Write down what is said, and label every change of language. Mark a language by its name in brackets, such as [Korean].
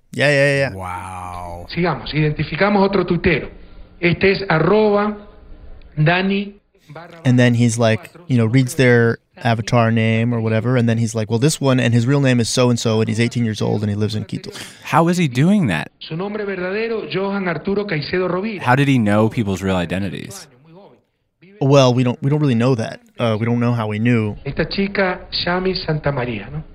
[English] Wow. [Spanish] Sigamos, identificamos otro tuitero. Este es arroba Dani. [English] And then he's like, you know, reads their avatar name or whatever. And then he's like, well, this one, and his real name is so-and-so, and he's 18 years old, and he lives in Quito. How is he doing that? [Spanish] Su nombre verdadero, Johan Arturo Caicedo Rovira. [English] How did he know people's real identities? Well, we don't really know that. We don't know how he knew. [Spanish] Esta chica, Shami Santa Maria, ¿no?